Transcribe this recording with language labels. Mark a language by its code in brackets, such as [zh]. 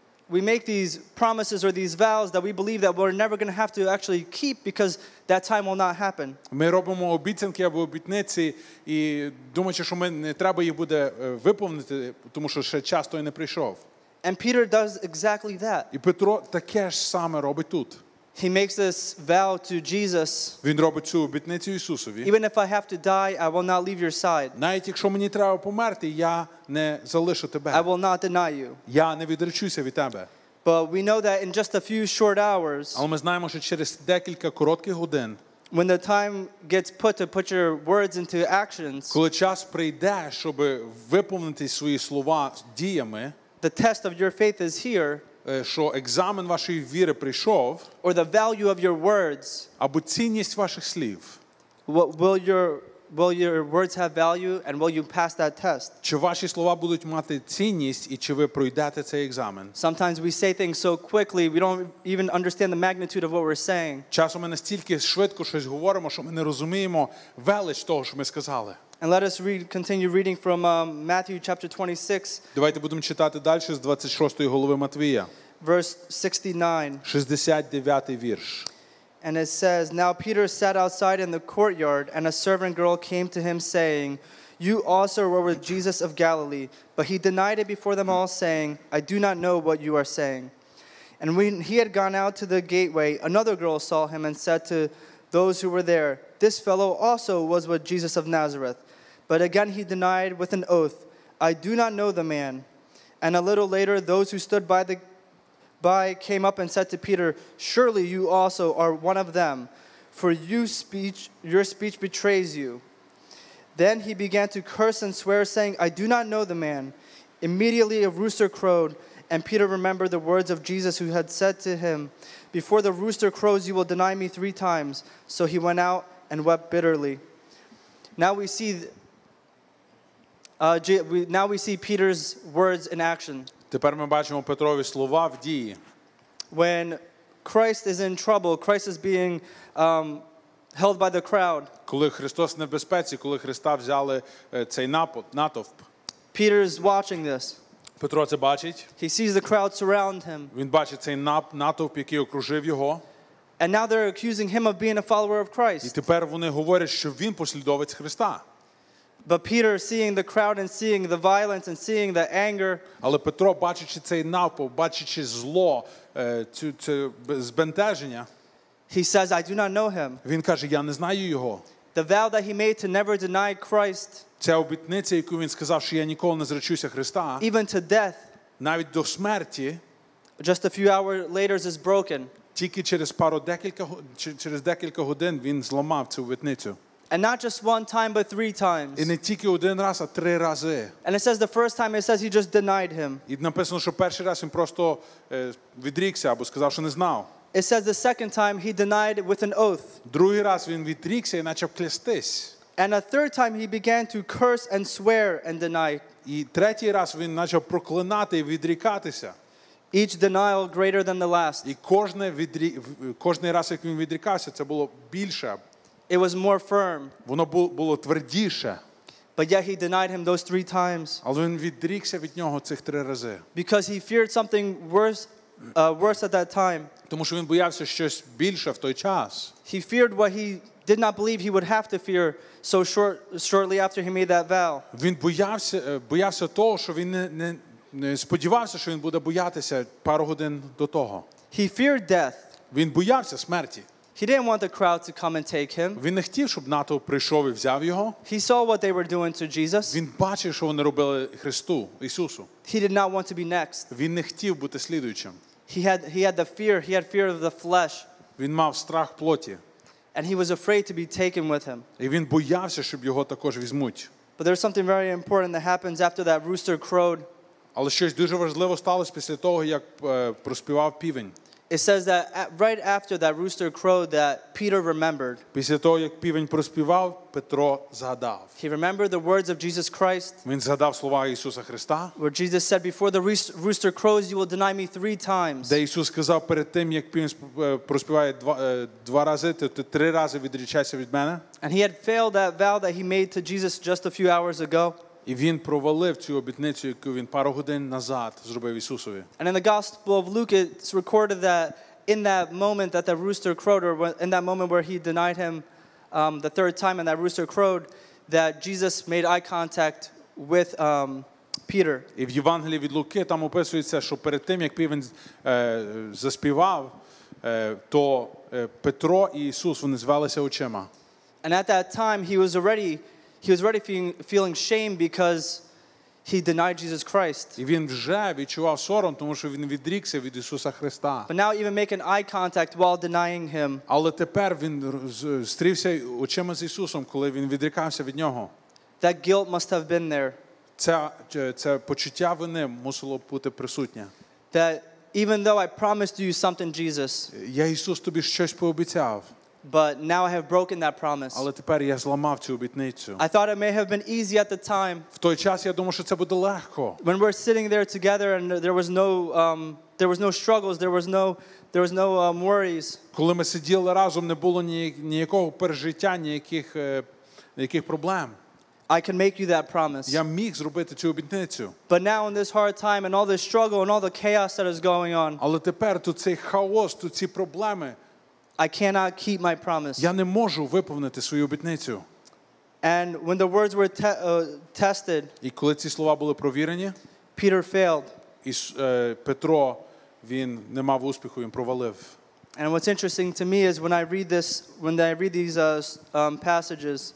[en] We make these promises or these vows that we believe that we're never going to have to actually keep because that time will not happen. [uk] Ми робимо обіцянки або обітниці і думаючи, що ми не треба їх буде виповнити, тому що ще час той не прийшов. [en] And Peter does exactly that. [uk] І Петро таке ж саме робить тут. [en] He makes this vow to Jesus. [uk] Він робить цю обітницю Ісусові. [en] Even if I have to die, I will not leave your side. [uk] Навіть якщо мені треба померти, я не залишу тебе. [en] I will not deny you. [uk] Я не відречуся від тебе. [en] But we know that in just a few short hours, [uk] але ми знаємо, що через декілька коротких годин, [en] when the time gets put to put your words into actions, [uk] коли час прийде, щоб виповнити свої слова діями, [en] the test of your faith is here, [uk] що екзамен вашої віри прийшов, [en] or the value of your words, [uk] або цінність ваших слів, [en] will your words have value and will you pass that test? [uk] Чи ваші слова будуть мати цінність і чи ви пройдете цей екзамен? [en] Sometimes we say things so quickly we don't even understand the magnitude of what we're saying. [uk] Часом ми настільки швидко щось говоримо, що ми не розуміємо велич того, що ми сказали. [en] And let us continue reading from Matthew chapter 26. [uk] Давайте будемо читати далі з 26-ї голови Матвія. [en] Verse 69. [uk] 69-й вірш. [en] And it says, now Peter sat outside in the courtyard and a servant girl came to him saying, you also were with Jesus of Galilee. But he denied it before them all saying, I do not know what you are saying. And when he had gone out to the gateway, another girl saw him and said to those who were there, this fellow also was with Jesus of Nazareth. But again he denied with an oath, I do not know the man. And a little later, those who stood by came up and said to Peter, surely you also are one of them, for your speech betrays you. Then he began to curse and swear, saying, I do not know the man. Immediately a rooster crowed, and Peter remembered the words of Jesus who had said to him, before the rooster crows, you will deny me three times. So he went out and wept bitterly. Now we see Peter's words in action. [uk] Тепер ми бачимо Петрові слова в дії. [en] When Christ is in trouble, Christ is being held by the crowd. [uk] Коли Христос в небезпеці, коли Христа взяли цей натовп. [en] Peter is watching this. [uk] Петро це бачить. [en] He sees the crowd surround him. [uk] Він бачить цей натовп, який окружив його. [en] And now they're accusing him of being a follower of Christ. [uk] І тепер вони говорять, що він послідовець Христа. [en] But Peter, seeing the crowd and seeing the violence and seeing the anger, [uk] але Петро, бачачи цей напад, бачачи зло, це збентеження, [en] he says, I do not know him. [uk] Він каже, я не знаю його. [en] The vow that he made to never deny Christ, [uk] ця обітниця, яку він сказав, що я ніколи не зречуся Христа, [en] even to death, [uk] навіть до смерті, [en] just a few hours later is broken. [uk] Тільки через декілька годин він зламав цю обітницю. [en] And not just one time, but three times. [uk] І не тільки один раз, а три рази. [en] And it says the first time, it says he just denied him. [uk] І написано, що перший раз він просто відрікся або сказав, що не знав. [en] It says the second time, he denied with an oath. [uk] Другий раз він відрікся і почав клястись. [en] And a third time, he began to curse and swear and deny. [uk] І третій раз він почав проклинати і відрікатися. [en] Each denial greater than the last. [uk] І кожний раз, як він відрікався, це було більше. [en] It was more firm. [uk] Воно було твердіше. [en] But yet he denied him those three times. [uk] Але він відрікся від нього цих три рази. [en] Because he feared something worse at that time. [uk] Тому що він боявся щось більше в той час. [en] He feared what he did not believe he would have to fear so shortly after he made that vow. [uk] Він боявся того, що він не сподівався, що він буде боятися пару годин до того. [en] He feared death. [uk] Він боявся смерті. [en] He didn't want the crowd to come and take him. [uk] Він не хотів, щоб натовп прийшов і взяв його. [en] He saw what they were doing to Jesus. [uk] Він бачив, що вони робили Христу, Ісусу. [en] He did not want to be next. [uk] Він не хотів бути слідуючим. [en] He had the fear. He had fear of the flesh. [uk] Він мав страх плоті. [en] And he was afraid to be taken with him. [uk] І він боявся, щоб його також візьмуть. [en] But there's something very important that happens after that rooster crowed. [uk] Але щось дуже важливо сталося після того, як проспівав півень. [en] It says that right after that rooster crowed, that Peter remembered. [uk] Після того, як півень проспівав, Петро згадав. [en] He remembered the words of Jesus Christ. [uk] Він згадав слова Ісуса Христа. [en] Where Jesus said, "Before the rooster crows, you will deny me three times." [uk] Де Ісус сказав перед тим, як півень проспіває два рази, ти три рази відрічайся від мене. [en] And he had failed that vow that he made to Jesus just a few hours ago. [uk] І він провалив цю обітницю, яку він пару годин назад зробив Ісусові. [en] And in the Gospel of Luke, it's recorded that in that moment that the rooster crowed, or in that moment where he denied him the third time and that rooster crowed, that Jesus made eye contact with Peter. [uk] І в Євангелії від Луки там описується, що перед тим, як півень заспівав, то Петро і Ісус, вони звелися очима. [en] And at that time, he was already feeling shame because he denied Jesus Christ. [uk] І він вже відчував сором, тому що він відрікся від Ісуса Христа. [en] But now even making eye contact while denying him. [uk] Але тепер він зустрівся очима з Ісусом, коли він відрікався від нього. [en] That guilt must have been there. [uk] Це почуття вини мусило бути присутнє. [en] That even though I promised you something, Jesus. [uk] Я, Ісус, тобі щось пообіцяв. [en] But now I have broken that promise. [uk] Але тепер я зламав цю обітницю. [en] I thought it may have been easy at the time. [uk] В той час я думав, що це буде легко. [en] When we're sitting there together and there was no struggles, there was no worries. [uk] Коли ми сиділи разом, не було ніякого пережиття, ніяких проблем. [en] I can make you that promise. [uk] Я міг зробити цю обітницю. [en] But now in this hard time and all this struggle and all the chaos that is going on. [uk] Але тепер тут цей хаос, тут ці проблеми. [en] I cannot keep my promise. [uk] Я не можу виповнити свою обітницю. [en] And when the words were tested, [uk] і коли ці слова були провірені, [en] Peter failed. [uk] Петро, він не мав успіху, він провалив. [en] And what's interesting to me is when I read these passages,